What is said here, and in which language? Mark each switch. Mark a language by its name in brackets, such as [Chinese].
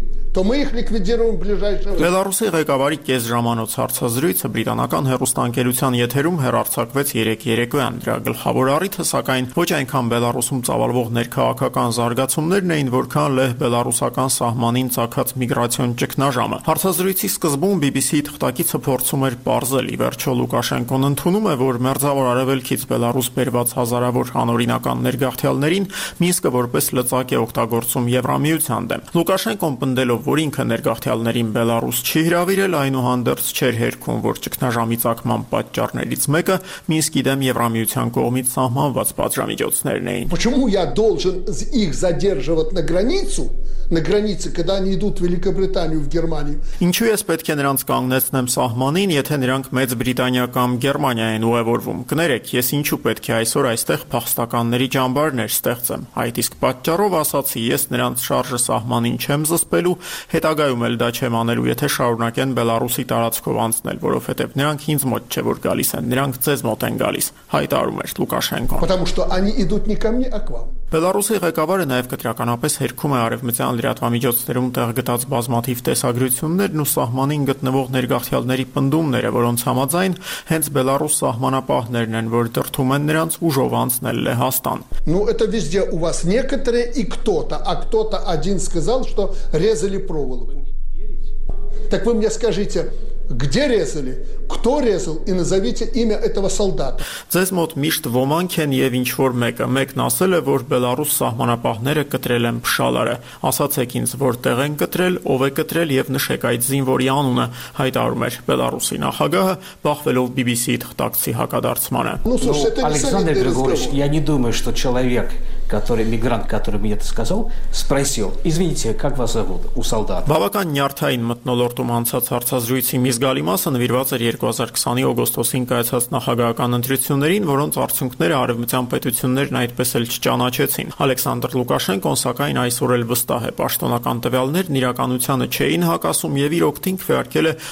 [Armenian] Բելարուսի ղեկավարի կես ժամանոց հարցազրույցը բրիտանական հեռուստաընկերության եթերում հեռարձակվեց 3-3-ին։ Դրա գլխավոր առիթը, սակայն, ոչ այնքան Բելարուսում ծավալվող ներքաղաքական զարգացումներն էին, որքան լեհ-բելարուսական սահմանին ցակած միգրացիոն ճգնաժամը։ Հարցազրույցի սկզբում BBC-ի թղթակիցը փորձում էր պարզել, ի վերջո Լուկաշենկոն ընդունում է, որ մերձավոր արևելքից Բելարուս բերված հազարավոր անօրինական ներգաղթյալներին Մինսկը որպես լծակ է օգտագործում Եվրամիության դեմ։ Լուկաշենկոն պնդելով, որ ինքը ներգաղթյալներին Բելարուս չի հրավիրել, այնուհանդերձ չէր հերքում, որ ճգնաժամի ծագման պատճառներից մեկը Մինսկի դեմ Եվրամիության կողմից սահմանված պատժամիջոցներն էին։ [Russian] Почему я должен их задерживать на границу? На границе, когда они идут в Великобританию, в Германию. [Armenian] Ինչու ես պետք է նրանց կանգնեցնեմ սահմանին, եթե նրանք Մեծ Բրիտանիա կամ Գերմանիա են ուղևորվում։ Կներեք, ես ինչու պետք է այսօր այստեղ փախստականների ճամբարներ ստեղծեմ։ Այդ իսկ պատճառով ասացի, ես նրանց շարժը սահմանին չեմ զսպելու, հետագայում էլ դա չեմ անելու, եթե շարունակեն Բելարուսի տարածքով անցնել, որովհետև նրանք ինձ մոտ չէ որ գալիս են, նրանք ձեզ մոտ են գալիս, հայտարարում է Լուկաշենկոն։ [Russian] Потому что они идут не ко мне, а к вам. [Armenian] Բելարուսի ղեկավարը նաև կտրականապես հերքում է արևմտյան լրատվամիջոցներում տեղ գտած բազմաթիվ տեսագրություններն ու սահմանին գտնվող ներգաղթյալների պնդումները, որոնց համաձայն հենց Բելարուս սահմանապահներն են, որ դրդում են նրանց ուժով անցնել Լեհաստան։ [Russian] Ну это везде у вас некоторые и кто-то, а кто-то один сказал, что резали проволоку. Так вы мне скажите, где резали? Кто резал? И назовите имя этого солдата. [Armenian] Ձեզ մոտ միշտ ոմանք են եւ ինչ որ մեկը, մեկն ասել է, որ Բելարուս սահմանապահները կտրել են փշալարը։ Ասացեք ինձ, որտեղ են կտրել, ով է կտրել եւ նշեք այդ զինվորի անունը, հայտարարում է Բելարուսի նախագահը, բախվելով BBC-ի թղթակցի հակադարձմանը։ [Russian] Александр Григорьевич, я не думаю, что человек, который мигрант, который мне это сказал, спросил: "Извините, как вас зовут у солдата?" [Armenian] Բավական նյարդային մտնոլորտում անցած հարցազրույցի մի զգալի մասը նվիրված էր 2020-ի օգոստոսին կայացած նախագահական ընտրություններին, որոնց արդյունքները արևմտյան պետություններն այդպես էլ չճանաչեցին։ Ալեքսանդր Լուկաշենկոն, սակայն, այսօր էլ վստահ է, պաշտոնական տվյալներն իրականությանը չէին հակասում եւ իր օգտին քվեարկել է